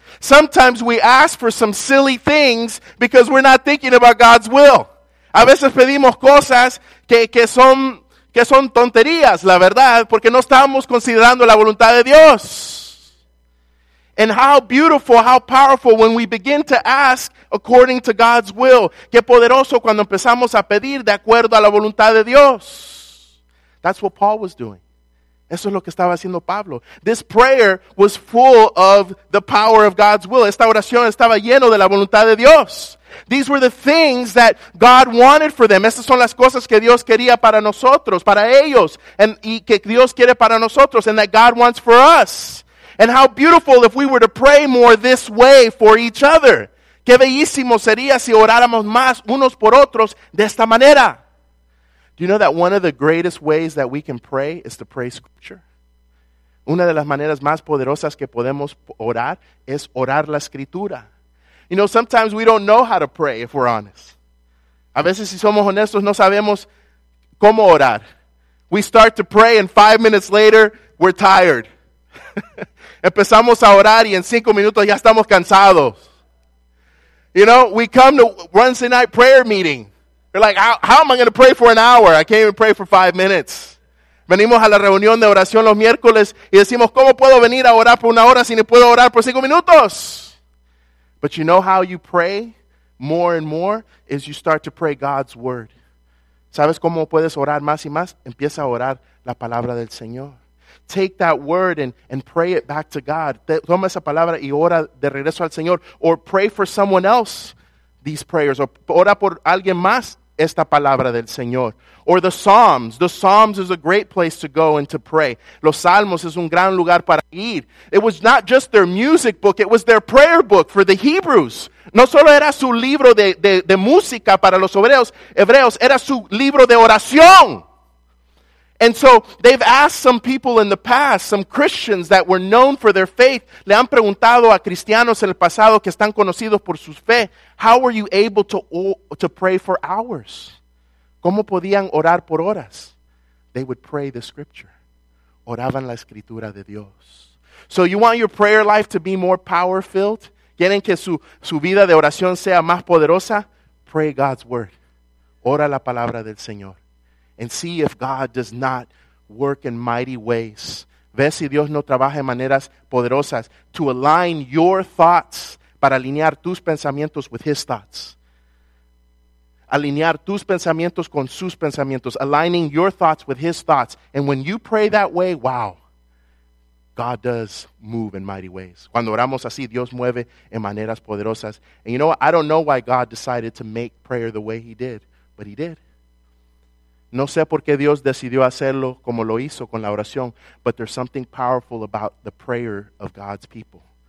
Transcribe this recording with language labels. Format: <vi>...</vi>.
<en>Sometimes we ask for some silly things because we're not thinking about God's will.</en> <es>A veces pedimos cosas que son tonterías, la verdad, porque no estamos considerando la voluntad de Dios.</es> <en>And how beautiful, how powerful when we begin to ask according to God's will.</en> <es>Qué poderoso cuando empezamos a pedir de acuerdo a la voluntad de Dios.</es> <en>That's what Paul was doing.</en> <es>Eso es lo que estaba haciendo Pablo.</es> <en>This prayer was full of the power of God's will.</en> <es>Esta oración estaba lleno de la voluntad de Dios.</es> <en>These were the things that God wanted for them.</en> <es>Estas son las cosas que Dios quería para nosotros, para ellos, y que Dios quiere para nosotros,</es> <en>and that God wants for us. And how beautiful if we were to pray more this way for each other.</en> <es>Qué bellísimo sería si oráramos más unos por otros de esta manera.</es> <en>Do you know that one of the greatest ways that we can pray is to pray Scripture?</en> <es>Una de las maneras más poderosas que podemos orar es orar la Escritura.</es> <en>You know, sometimes we don't know how to pray, if we're honest.</en> <es>A veces, si somos honestos, no sabemos cómo orar.</es> <en>We start to pray, and 5 minutes later, we're tired.</en> <es>Empezamos a orar, y en 5 minutos ya estamos cansados.</es> <en>You know, we come to Wednesday night prayer meeting. We're like, how am I going to pray for an hour? I can't even pray for 5 minutes.</en> <es>Venimos a la reunión de oración los miércoles y decimos, ¿cómo puedo venir a orar por una hora si no puedo orar por 5 minutos?</es> <en>But you know how you pray more and more is you start to pray God's word.</en> <es>¿Sabes cómo puedes orar más y más? Empieza a orar la palabra del Señor.</es> <en>Take that word and pray it back to God.</en> <es>Toma esa palabra y ora de regreso al Señor.</es> <en>Or pray for someone else these prayers. Or</en> <es>ora por alguien más esta palabra del Señor.</es> <en>Or the Psalms. The Psalms is a great place to go and to pray.</en> <es>Los Salmos es un gran lugar para ir.</es> <en>It was not just their music book. It was their prayer book for the Hebrews.</en> <es>No solo era su libro de música para los hebreos, era su libro de oración.</es> <en>And so they've asked some people in the past, some Christians that were known for their faith,</en> <es>le han preguntado a cristianos en el pasado que están conocidos por su fe,</es> <en>how were you able to pray for hours?</en> <es>¿Cómo podían orar por horas?</es> <en>They would pray the scripture.</en> <es>Oraban la escritura de Dios.</es> <en>So you want your prayer life to be more power-filled?</en> <es>¿Quieren que su vida de oración sea más poderosa?</es> <en>Pray God's word.</en> <es>Ora la palabra del Señor.</es> <en>And see if God does not work in mighty ways.</en> <es>Ve si Dios no trabaja en maneras poderosas</es> <en>to align your thoughts,</en> <es>para alinear tus pensamientos</es> <en>with his thoughts.</en> <es>Alinear tus pensamientos con sus pensamientos.</es> <en>Aligning your thoughts with his thoughts. And when you pray that way, wow, God does move in mighty ways.</en> <es>Cuando oramos así, Dios mueve en maneras poderosas.</es> <en>And you know what? I don't know why God decided to make prayer the way he did, but he did.</en> <es>No sé por qué Dios decidió hacerlo como lo hizo con la oración,</es> <en>but there's something powerful about the prayer of God's people.</en>